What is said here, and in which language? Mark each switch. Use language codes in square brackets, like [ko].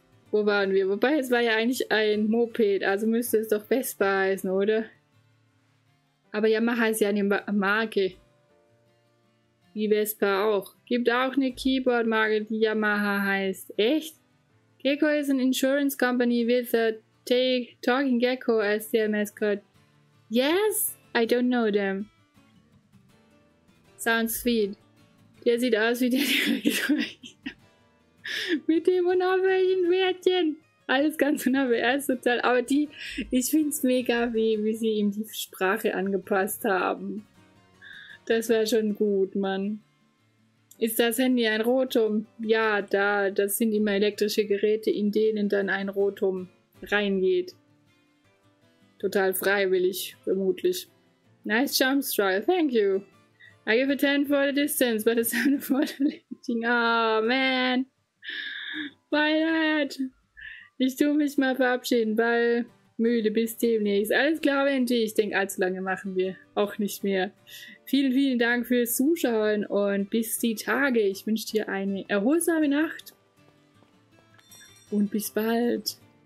[de] Wo waren wir? Wobei, es war ja eigentlich ein Moped, also müsste es doch Vespa heißen, oder? Aber Yamaha ist ja eine Marke. Wie Vespa auch. Gibt auch eine Keyboard-Marke, die Yamaha heißt. Echt? [en] Gecko is an insurance company with a talking gecko as their mascot. Yes? I don't know them. Sounds sweet. [de] Der sieht aus wie der... Mit dem unauffälligen Wärtchen. Alles ganz unauffällig, total. Aber die, ich find's mega, wie sie ihm die Sprache angepasst haben. Das wäre schon gut, Mann. Ist das Handy ein Rotum? Ja, da, das sind immer elektrische Geräte, in denen dann ein Rotum reingeht. Total freiwillig, vermutlich. [en] Nice jump strike, thank you. I give a 10 for the distance, but it's not for the lifting. Oh, man. My dad. [de] Ich tu mich mal verabschieden, weil müde, bis demnächst. Alles klar, Benji. Ich denke, allzu lange machen wir auch nicht mehr. Vielen, vielen Dank fürs Zuschauen und bis die Tage. Ich wünsche dir eine erholsame Nacht und bis bald.